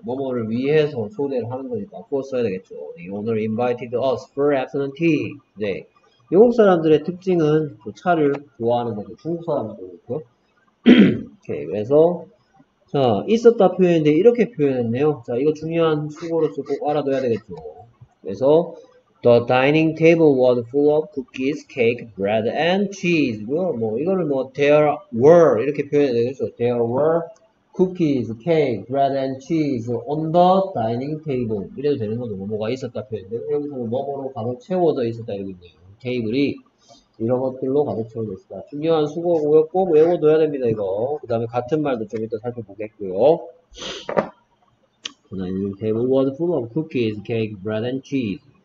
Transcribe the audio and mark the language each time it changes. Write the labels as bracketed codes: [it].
[ko] 뭐뭐를 위해서 초대를 하는 거니까 for 써야 되겠죠. 오늘 [en] invited us for afternoon tea today. [ko] 영국 사람들의 특징은 차를 좋아하는 거죠. 중국 사람들도 그렇고요. 오케이 그래서 자 있었다 표현인데 이렇게 표현했네요. 자 이거 중요한 수고로서 꼭 알아둬야 되겠죠. 그래서 [en] The dining table was full of cookies, cake, bread, and cheese. [ko] 뭐, 이거를 뭐, [en] there were, [ko] 이렇게 표현해야 되겠죠. [en] There were cookies, cake, bread, and cheese on the dining table. [ko] 이래도 되는 거죠. 뭐가 있었다 표현인데, 여기서는 뭐뭐로 가득 채워져 있었다. 여기 있네요. 테이블이. 이런 것들로 가득 채워져 있었다. 중요한 수고고요. 꼭 외워둬야 됩니다, 이거. 그 다음에 같은 말도 좀 이따 살펴보겠고요. [en] The dining table was full of cookies, cake, bread, and cheese.